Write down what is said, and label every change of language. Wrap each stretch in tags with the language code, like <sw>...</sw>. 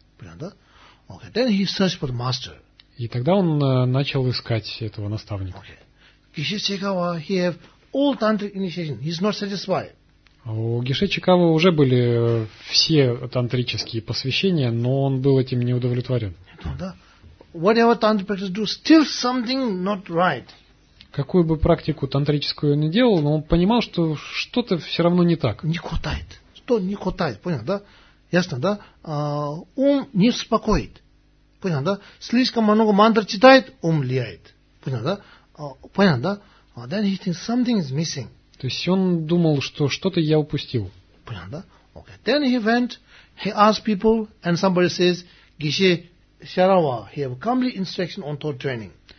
<ru>Понял, да?</ru> <en>Okay. Then he searched for the master.</en> <ru>И тогда он начал искать этого наставника.</ru> <en>Okay. Geshe Chekawa, he have all tantric initiation. He's not satisfied.</en> <ru>У Геше Чикава уже были все тантрические посвящения, но он был этим не удовлетворен.</ru> <en>Whatever tantric practice do, still something not right.</en> <ru>Какую бы практику тантрическую ни делал, но он понимал, что что-то все равно не так. Не хватает. Что не хватает, понял, да? Ясно, да? Ум не успокоит. Понял, да? Слишком много мантр читает, ум влияет. Понял, да? Понял, да?</ru> <en>Then he thinks something is missing.</en> <ru>То есть он думал, что что-то я упустил. Понял, да? Okay.</ru> <en>Then he went, he asked people, and somebody says, Geshe Sharawa, he have complete instruction on thought training.</en>